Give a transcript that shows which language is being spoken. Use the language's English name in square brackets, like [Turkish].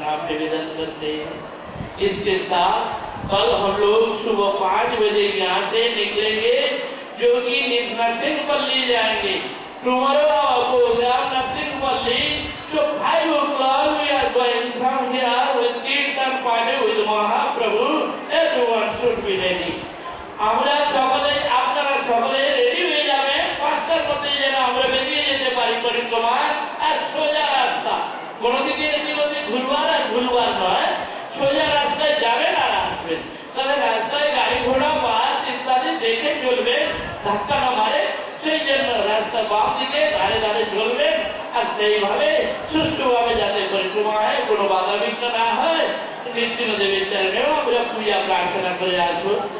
[Hindi] इसके साथ कल हम लोग सुबह 5 बजे यहाँ से निकलेंगे जो कि नरसिंह पल्ली जाएंगे। टुमारो आपको नरसिंह पल्ली जो [English] 5 o'clock we are going from here with Kirtan Party with Mahaprabhu, everyone should be ready. [Bangla] আমরা সকলে আপনারা সকলে রেডি হয়ে যাবেন 5টার মধ্যে যেন আমরা বেরিয়ে যেতে পারি পরিক্রমা আর সোজা রাস্তা, কোনোদিকে এদিক ওদিক ঘুরবার আর ঘুরবার নয়, সোজা রাস্তায় যাবেন আর আসবেন। তাহলে রাস্তায় গাড়ি ঘোড়া বাস ইত্যাদি দেখে চলবে, ধাক্কা না মারে, সেই জন্য রাস্তা বাম দিকে ধারে ধারে চলবে আর সেইভাবে সুষ্ঠুভাবে যাতে পরিক্রমা হয়, কোনো বাধা বিঘ্ন না হয়, কৃষ্ণ দেবের চরণে আমরা পূজা প্রার্থনা করে আসবো।